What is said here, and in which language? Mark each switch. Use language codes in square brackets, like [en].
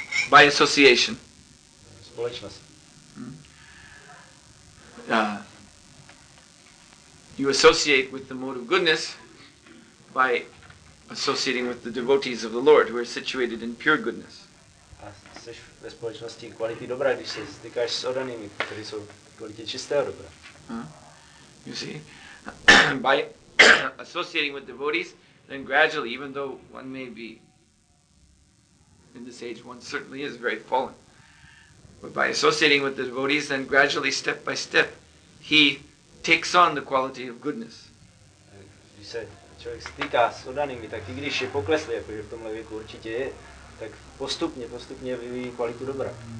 [en] By association. [cs] Společnost. [en] You associate with the mode of goodness by associating with the devotees of the Lord who are situated in pure goodness. [cs] A seš ve společnosti kvality dobra, když se stykáš s oddanými, kteří jsou kvalitě čistého dobra. [en] You see? By associating with devotees, then gradually, even though one may be in this age, one certainly is very fallen. But by associating with the devotees, then gradually, step by step, he takes on the quality of goodness. [cs] Když se člověk stýká s oddanými, tak i když je pokleslý, jakože v tomhle věku určitě je, tak postupně vyvíjí kvalitu dobra.